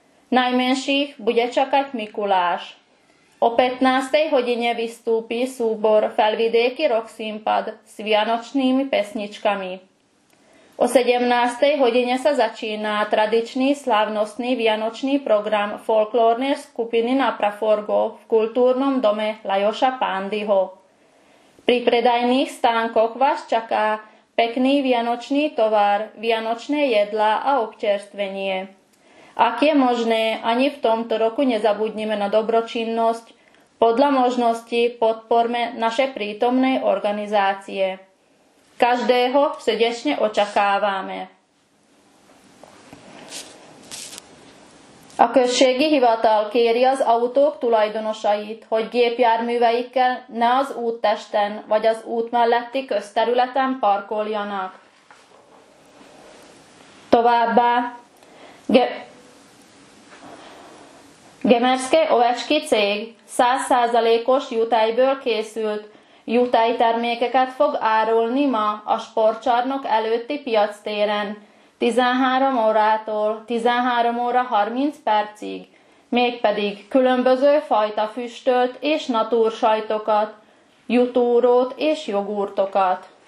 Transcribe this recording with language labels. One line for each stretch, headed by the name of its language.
Slovak: Najmenších bude čakať Mikuláš. O 15. hodine vystúpi súbor Felvidéky Rock Simpad s vianočnými pesničkami. O 17. hodine sa začína tradičný slávnostný vianočný program folklórnej skupiny Na Praforgo v kultúrnom dome Lajoša Pándyho. Pri predajných stánkoch vás čaká pekný vianočný tovar, vianočné jedlá a občerstvenie. Ak je možné, ani v tomto roku nezabudnime na dobročinnosť, podľa možnosti podporme naše prítomné organizácie. Každého srdečne očakávame.
Hungarian: A községi hivatal kéri az autók tulajdonosait, hogy gépjárműveikkel ne az úttesten vagy az út melletti közterületen parkoljanak. Továbbá Gemerské ovecky cég 100%-os jutályből készült jutálytermékeket fog árulni ma a sportcsarnok előtti piactéren 13 órától 13 óra 30 percig, mégpedig különböző fajta füstölt és natursajtokat, jutúrót és jogurtokat.